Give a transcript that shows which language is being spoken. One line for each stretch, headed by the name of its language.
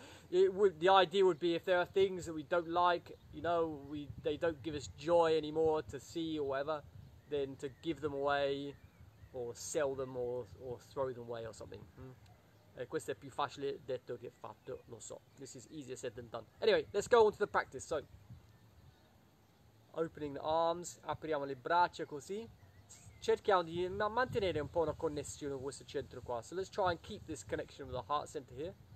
English: The idea would be if there are things that we don't like, you know, they don't give us joy anymore to see or whatever, then to give them away or sell them or throw them away or something.
Italian: Questo è più facile detto che fatto, lo so.
English: This is easier said than done. Anyway, let's go on to the practice. So, opening the arms,
Italian: apriamo le braccia così. Cerchiamo di mantenere un po' una connessione con questo centro qua.
English: So let's try and keep this connection with the heart center here.